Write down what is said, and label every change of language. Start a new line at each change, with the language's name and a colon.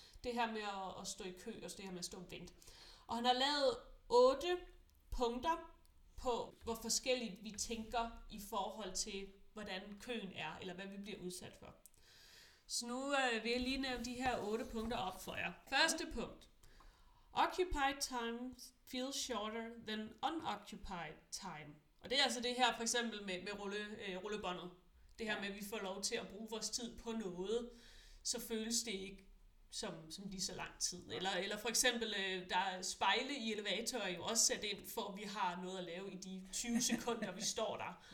Danish: Det her med at stå i kø, og det her med at stå og vente. Og han har lavet 8 punkter på, hvor forskelligt vi tænker i forhold til, hvordan køen er, eller hvad vi bliver udsat for. Så nu vil jeg lige nævne de her 8 punkter op for jer. Første punkt.
English: Occupied time feels shorter than unoccupied time.
Danish: Og det er altså det her for eksempel med rullebåndet. Det her med, at vi får lov til at bruge vores tid på noget, så føles det ikke som lige så lang tid. Eller for eksempel, der er spejle i elevatorer er jo også sat ind, for vi har noget at lave i de 20 sekunder, vi står der.